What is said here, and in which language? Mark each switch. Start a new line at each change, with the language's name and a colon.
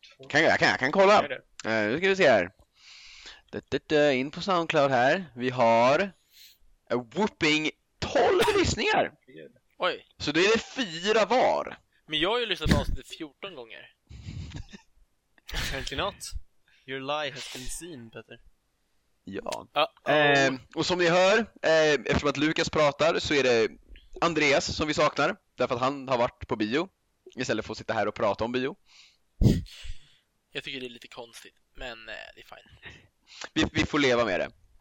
Swedish: Jag kan kolla. Nu ska vi se här. In på SoundCloud här. Vi har
English: a whooping
Swedish: 12 lyssningar. Oj. Så då är det fyra var. Men jag har ju lyssnat på avsnittet 14 gånger.
English: Apparently not. Your lie has been seen, Peter.
Swedish: Ja. Och som ni hör, eftersom att Lukas pratar så är det Andreas som vi saknar. Därför att han har varit på bio. Istället för att sitta här och prata om bio. Jag tycker det är lite konstigt. Men det är fine. Vi får leva med det.